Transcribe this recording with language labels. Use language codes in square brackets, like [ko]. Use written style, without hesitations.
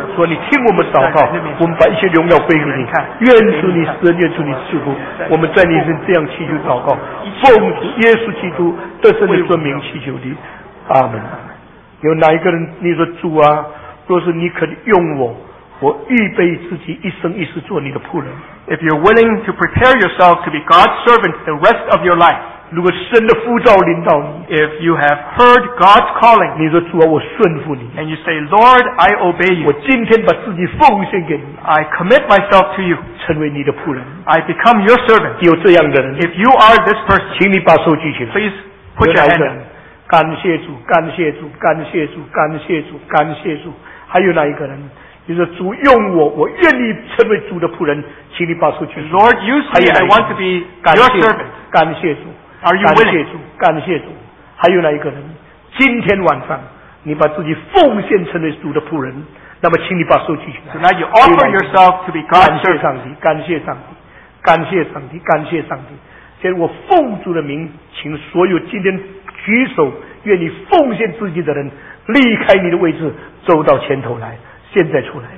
[zh] 主啊，你听我们祷告，我们把一些荣耀归给你。愿主你施恩，愿主你赐福。我们在你身这样祈求祷告，奉主耶稣基督得胜的尊名祈求你。阿门。有哪一个人你说主啊，若是你肯用我，我预备自己一生一世做你的仆人。 [en] If you're willing to prepare yourself to be God's servant the rest of your life, [zh] 如果神的呼召临到你， [en] If you have heard God's calling, [zh] 你说主啊，我顺服你。 [en] And you say, Lord, I obey you. [zh] 我今天把自己奉献给你。 [en] I commit myself to you. [zh] 成为你的仆人。 [en] I become your servant. [zh] 有这样的人。 [en] If you are this person, [zh] 请你把手举起来。 [en] Please put your hand up. [zh] 感谢主，感谢主，感谢主，感谢主，感谢主。还有哪一个人？你说主用我，我愿意成为主的仆人，请你把手举起来。 [en] Lord, use me. I want to be your servant. [zh] 感谢主。 [en] Are you willing? [zh] 感谢主，感谢主。还有哪一个人？今天晚上，你把自己奉献成为主的仆人，那么请你把手举起来。 [en] So now you offer yourself to be God's servant. [zh] 感谢上帝，感谢上帝，感谢上帝。现在我奉主的名，请所有今天举手愿意奉献自己的人离开你的位置，走到前头来，现在出来。